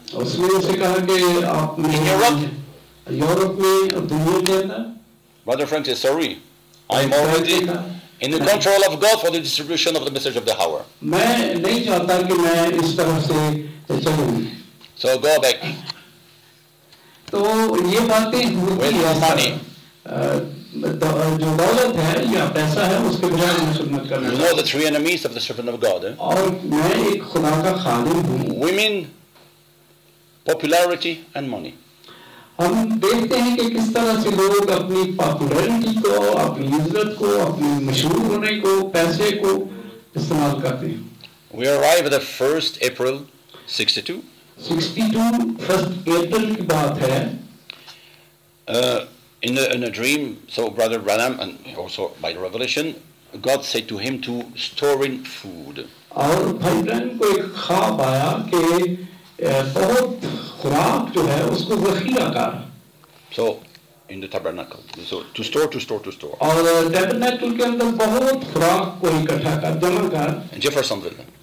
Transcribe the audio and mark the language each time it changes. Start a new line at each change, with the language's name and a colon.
Hindi: उसने उसे कहा कि आप मेरे यूरोप में दुनिया के अंदर.
English: Brother Frank is sorry. I'm already in the control of God for the distribution of the message of the hour.
Hindi: मैं नहीं चाहता कि मैं इस तरफ से चलूँ.
English: So go back.
Hindi: तो ये बातें होती हैं. Money. जो दौलत है या पैसा है उसके बजाय मुझे मत करना.
English: You know the three enemies of the servant of God.
Hindi: और मैं एक खुदा का खादिम हूँ.
English: Women, popularity and money.
Hindi: हम देखते हैं कि किस तरह से लोग अपनी पॉपुलैरिटी को, अपनी इज्जत को, अपनी मशहूर होने को, पैसे को इस्तेमाल करते हैं.
English: We arrive at the 1st April 62.
Hindi: 62, 1st April की बात है.
English: In a dream, so Brother Branham, and also by the revelation, God said to him to store in food.
Hindi: और भाई ब्रैनम को एक ख्वाब आया कि बहुत खुराक जो है उसको ज़खीरा कर.
English: So in the tabernacle, so to store.
Hindi: और tabernacle के अंदर बहुत खुराक को इकट्ठा कर, जमा कर.
English: Jeffersonville.